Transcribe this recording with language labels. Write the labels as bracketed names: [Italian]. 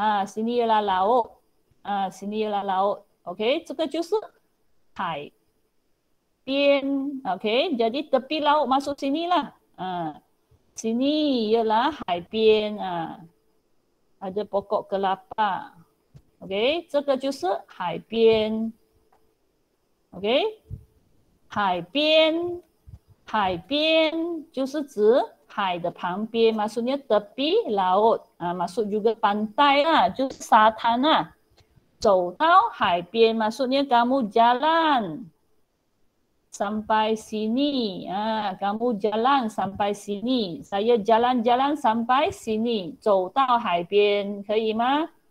[Malay] sini ialah laut， sini ialah laut， OK， [Chinese] 这个就是海边， [Malay] OK， jadi tepi laut maksud sini lah， sini ialah 海边， ada pokok kelapaOK， 这个就是海边。 [Chinese] OK， 海边，海边就是指海的旁边 ， [Malay] maksudnya tepi laut， maksud juga pantai [Chinese] 啦，就是沙滩啦。 [Malay] 走到海边 ，maksudnya kamu jalan sampai sini， kamu jalan sampai sini， saya jalan-jalan sampai sini， [Chinese] 走到海边，可以吗？